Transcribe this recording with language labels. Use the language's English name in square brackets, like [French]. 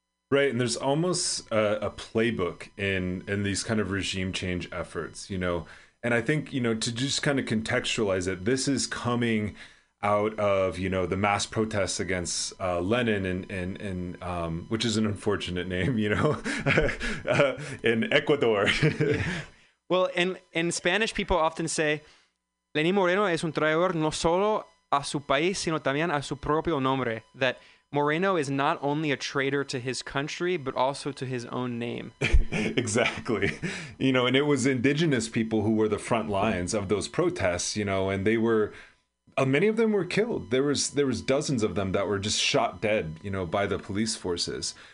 [English] Right, and there's almost a playbook in these kind of regime change efforts, you know. And I think, you know, to just kind of contextualize it, this is coming out of, you know, the mass protests against Lenin and which is an unfortunate name, you know, in Ecuador. Yeah. Well, in Spanish, people often say, [Spanish] Lenin Moreno es un traidor no solo a su país, sino también a su propio nombre. [English] That Moreno is not only a traitor to his country, but also to his own name. Exactly. You know, and it was indigenous people who were the front lines of those protests, you know, and they were, many of them were killed. There was dozens of them that were just shot dead, you know, by the police forces.